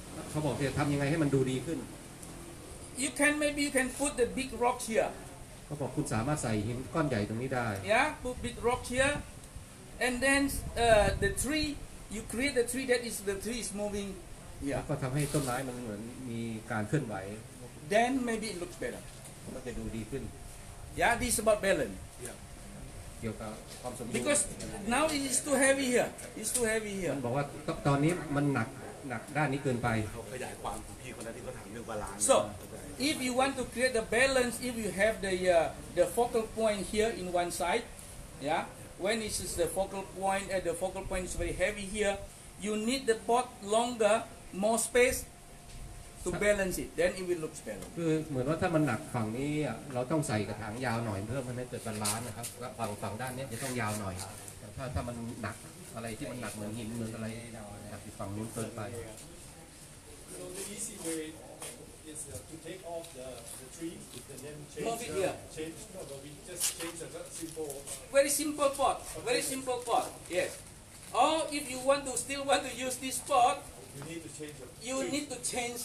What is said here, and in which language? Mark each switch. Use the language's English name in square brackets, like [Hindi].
[Thai] เขาบอกจะทำยังไงให้มันดูดีขึ้น [English] you can maybe you can put the big rock here [Thai] เขาบอกคุณสามารถใส่หินก้อนใหญ่ตรงนี้ได้ [English] yeah put big rock hereAnd then the tree, you create the tree that is the tree is moving. Yeah. [Thai] ก็ทำให้ต้นไม้มันเหมือนมีการเคลื่อนไหว [English] Then maybe it looks better. [Thai] มันจะดูดีขึ้น [English] Yeah, this is about balance. [Thai] Yeah. เกี่ยวกับความสมดุล [English] Because now it is too heavy here. It's too heavy here. [Thai] มันบอกว่าตอนนี้มันหนักด้านนี้เกินไป เขาขยายความของพี่คนนั้นที่เขาถามเรื่องบาลานซ์ [English] So if you want to create the balance, if you have the focal point here in one side, yeah. When it is the focal point, the focal point is very heavy here. You need the pot longer, more space to balance it. Then it will look better. [Thai] คือเหมือนว่าถ้ามันหนักฝั่งนี้เราต้องใส่กระถางยาวหน่อยเพื่อมันไม่เกิดบาลานซ์นะครับฝั่งด้านนี้จะต้องยาวหน่อยถ้ามันหนักอะไรที่มันหนักเหมือนหินเหมือนอะไรหนักฝั่งนู้นเกินไป [English] So the easy way is to take off the tree with the name very simple pot yes or if you want to use this pot you need to change